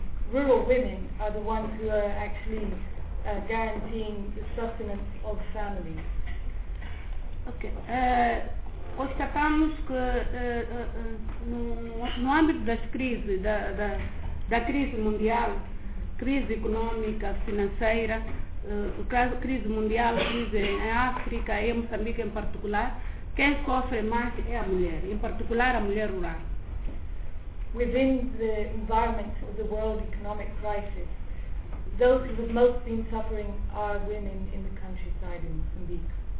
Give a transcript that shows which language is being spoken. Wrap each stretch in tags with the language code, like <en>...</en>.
<en>Rural women are the ones who are actually guaranteeing the sustenance of families. Okay.</en> <pt>Constatamos que no âmbito das crises, da crise mundial, crise econômica, financeira, crise em África e Moçambique em particular, quem sofre mais é a mulher, em particular a mulher rural.</pt> <en>Within the environment of the world economic crisis, those who have most been suffering are women in the countryside in Moçambique.</en>